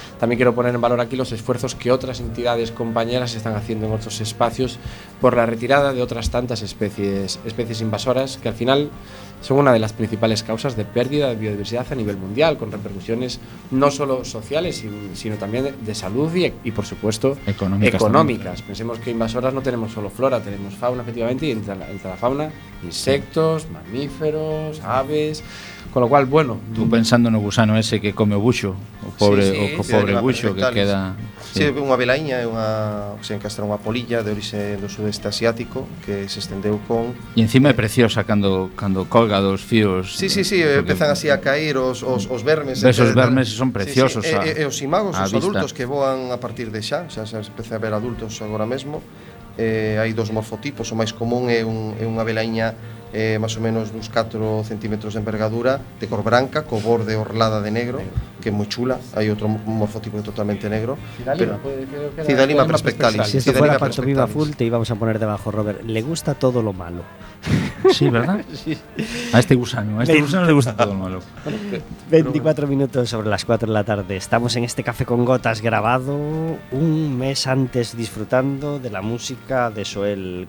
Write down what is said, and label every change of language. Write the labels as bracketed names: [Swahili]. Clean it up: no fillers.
[Spanish] También quiero poner en valor aquí los esfuerzos que otras entidades compañeras están haciendo en otros espacios por la retirada de otras tantas especies invasoras, que al final son una de las principales causas de pérdida de biodiversidad a nivel mundial, con repercusiones no solo sociales, sino también de salud y por supuesto, económicas. También. Pensemos que invasoras no tenemos solo flora, tenemos fauna, efectivamente, y entre la fauna, insectos, mamíferos, aves. Con lo cual, bueno. Tú pensando en el gusano ese que come o buxo, pobre buxo que queda. [Galician] Sí, sí, unha velaíña, unha polilla de orixe do sudeste asiático que se estendeu con... E encima é preciosa cando colga dos fíos. Sí, empezan así a caer os vermes. [Spanish] Esos vermes son preciosos. [Galician] Sí. E os imagos, os adultos que voan a partir de xa, se empecé a ver adultos agora mesmo. Hai dos morfotipos, o máis común é unha velaíña máis ou menos dos 4 centímetros de envergadura, de cor branca, co borde orlada de negro, que é moi chula. Hai outro morfotipo totalmente negro. Cidalima perspectalis. [Spanish] Si esto fuera pantomima full, te íbamos a poner debajo, Robert. Le gusta todo lo malo. Sí, ¿verdad? Sí. A este gusano le gusta todo lo malo. 24 minutos sobre las 4 de la tarde. Estamos en este Café con Gotas grabado un mes antes disfrutando de la música de Soel.